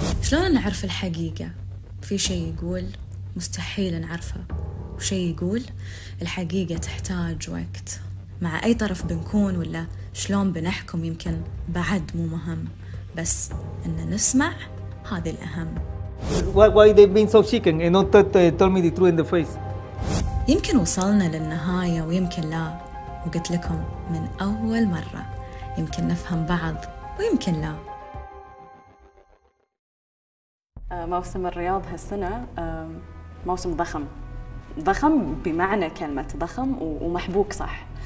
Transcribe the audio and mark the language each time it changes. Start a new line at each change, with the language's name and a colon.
Arabic: شلون نعرف الحقيقة؟ في شيء يقول مستحيل نعرفه. شيء يقول الحقيقة تحتاج وقت. مع أي طرف بنكون ولا شلون بنحكم يمكن بعد مو مهم، بس إن نسمع هذا الأهم.
English: Why they been so chicken and not told me the truth in the face.
Arabic: يمكن وصلنا للنهاية ويمكن لا، وقلت لكم من أول مرة يمكن نفهم بعض ويمكن لا. موسم الرياض هالسنة موسم ضخم. ضخم بمعنى كلمة ضخم ومحبوك صح.